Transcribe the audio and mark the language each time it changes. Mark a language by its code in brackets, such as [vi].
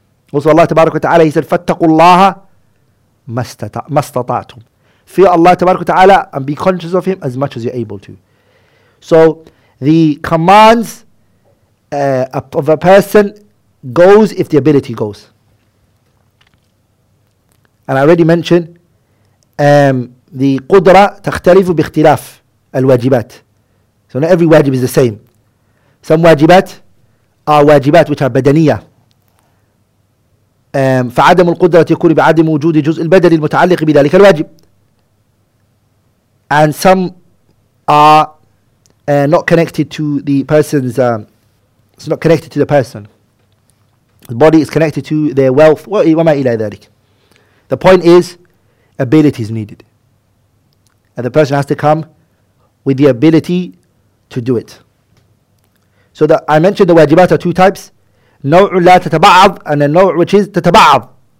[en] Also Allah تبارك وتعالى, He said, [ar] فَاتَّقُوا اللَّهَ مَا اسْتَطَعْتُمْ. [en] Fear Allah تبارك وتعالى and be conscious of Him as much as you're able to. So the commands of a person goes if the ability goes. And I already mentioned the [ar] قدرة تختلف باختلاف الواجبات. [en] So not every wajib is the same. Some wajibat are wajibat which are badaniya. [ar] فعدم القدرة يكون بعدم وجود جزء البدن المتعلق بذلك الواجب. [en] And some are not connected to the person's it's not connected to the person. The body is connected to their wealth. [ar] وما إلى ذلك. [en] The point is, ability is needed. And the person has to come with the ability to do it. So that I mentioned the wajibat are two types. [ar] نوع لا تتبعض and a نوع which is تتبعض.